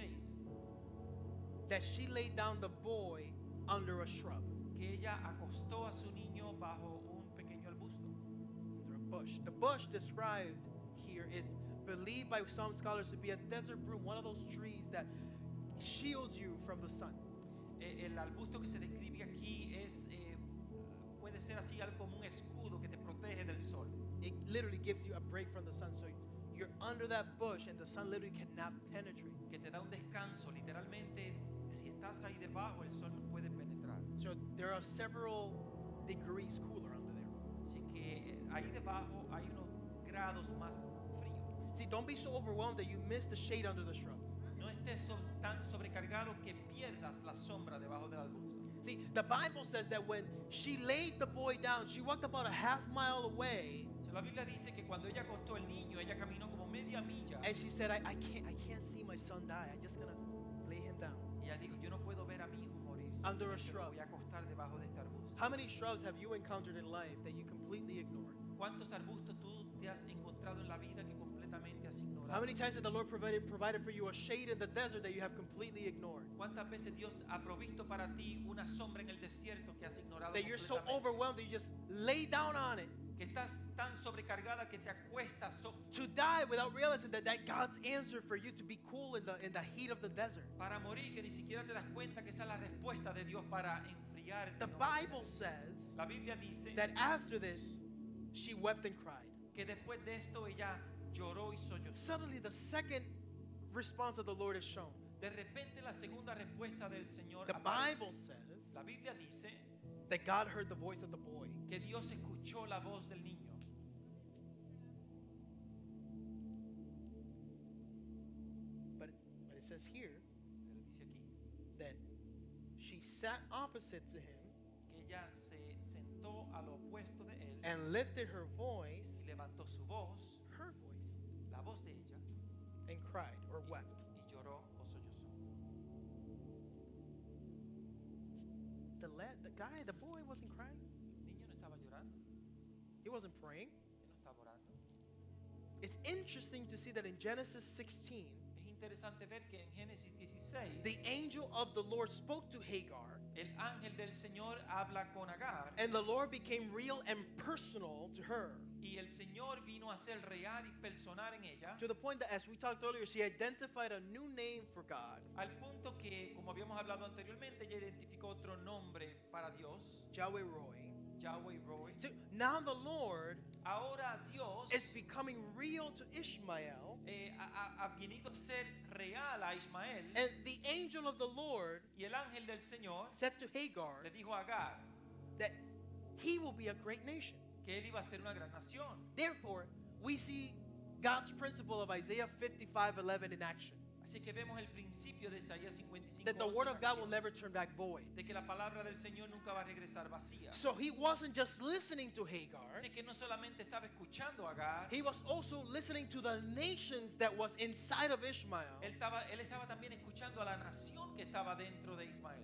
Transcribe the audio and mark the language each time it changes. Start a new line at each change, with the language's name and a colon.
English: verse 16, that she laid down the boy under a shrub.
Spanish: Que ella acostó a su niño bajo un pequeño arbusto.
English: Under a bush. The bush described here is believed by some scholars to be a desert broom, one of those trees that shields you from the sun.
Spanish: El arbusto que se describe aquí es puede ser así algo como un escudo que te protege del sol.
English: It literally gives you a break from the sun, so you're under that bush and the sun literally cannot penetrate.
Spanish: Que te da un descanso, literalmente si estás ahí debajo el sol no puede penetrar.
English: So there are several degrees cooler under there.
Spanish: Así que ahí debajo hay unos grados más frío.
English: See, don't be so overwhelmed that you miss the shade under the shrub.
Spanish: No estés tan sobrecargado que pierdas la sombra debajo del arbusto.
English: See, the Bible says that when she laid the boy down, she walked about a half mile away.
Spanish: La Biblia dice que cuando ella acostó el niño, ella caminó como media milla.
English: And she said, I can't see my son die. I'm just gonna lay him down.
Spanish: Y ella dijo, yo no puedo ver a mi hijo morir.
English: Under a shrub.
Spanish: Voy a acostar debajo de este arbusto.
English: How many shrubs have you encountered in life that you completely ignore?
Spanish: ¿Cuántos arbustos tú te has encontrado en la vida que completamente has ignorado?
English: How many times has the Lord provided for you a shade in the desert that you have completely ignored?
Spanish: ¿Cuántas veces Dios ha provisto para ti una sombra en el desierto que has ignorado?
English: That you're so overwhelmed that you just lay down on it.
Spanish: que estás tan sobrecargada que te acuestas
English: to die without realizing that that God's answer for you to be cool in the heat of the desert.
Spanish: Para morir que ni siquiera te das cuenta que esa es la respuesta de Dios para enfriar.
English: The Bible says,
Spanish: la Biblia dice,
English: that after this she wept and cried.
Spanish: Que después de esto ella lloró y sollozó.
English: Suddenly the second response of the Lord is shown.
Spanish: De repente la segunda respuesta del Señor
English: the
Spanish: aparece.
English: Bible says,
Spanish: la Biblia dice,
English: that God heard the voice of the boy.
Spanish: Que Dios escuchó la voz del niño.
English: But it says here,
Spanish: pero dice aquí,
English: that she sat opposite to him,
Spanish: que ella se sentó a lo opuesto de él,
English: and lifted her voice,
Spanish: y levantó su voz,
English: her voice,
Spanish: la voz de ella,
English: and cried or wept.
Spanish: Y lloró o sollozó.
English: The boy wasn't crying.
Spanish: El niño no estaba llorando.
English: He wasn't praying.
Spanish: Él no estaba orando.
English: It's interesting to see that in Genesis 16,
Spanish: es interesante ver que en Génesis 16,
English: the angel of the Lord spoke to Hagar,
Spanish: el ángel del Señor habla con Agar,
English: and the Lord became real and personal to her.
Spanish: Y el Señor vino a ser real y personal en ella.
English: To the point that, as we talked earlier, she identified a new name for God.
Spanish: Al punto que, como habíamos hablado anteriormente, ella identificó otro nombre para Dios. Yahweh Roy. Yahweh Roy.
English: So now the Lord,
Spanish: ahora Dios,
English: is becoming real to Ishmael.
Spanish: Ha venido a ser real a Ishmael.
English: And the angel of the Lord,
Spanish: y el ángel del Señor,
English: said to Hagar,
Spanish: le dijo a Agar,
English: that he will be a great nation.
Spanish: Que él iba a ser una gran nación.
English: Therefore, we see God's principle of Isaiah 55:11 in action.
Spanish: Así que vemos el principio de Isaías 55.
English: That the word of God will never turn back void.
Spanish: De que la palabra del Señor nunca va a regresar vacía.
English: So he wasn't just listening to Hagar.
Spanish: Así que no solamente estaba escuchando a Agar.
English: He was also listening to the nations that was inside of Ishmael.
Spanish: Él estaba también escuchando a la nación que estaba dentro de Ismael.